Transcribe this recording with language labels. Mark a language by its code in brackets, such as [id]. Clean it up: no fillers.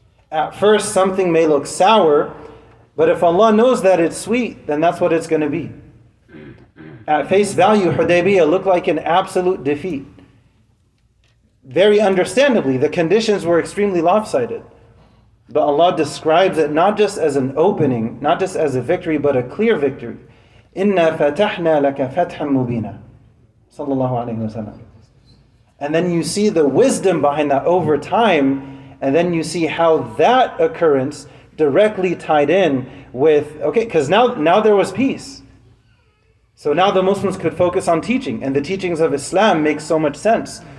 [en] At first, something may look sour, but if Allah knows that it's sweet, then that's what it's going to be. At face value, Hudaybiyah looked like an absolute defeat. Very understandably, the conditions were extremely lopsided. But Allah describes it not just as an opening, not just as a victory, but a clear victory. [ar] إِنَّا فَتَحْنَا لَكَ فَتْحًا مُبِينًا صلى الله عليه وسلم. [en] And then you see the wisdom behind that over time, and then you see how that occurrence directly tied in with, okay, because now there was peace. So now the Muslims could focus on teaching, and the teachings of Islam make so much sense.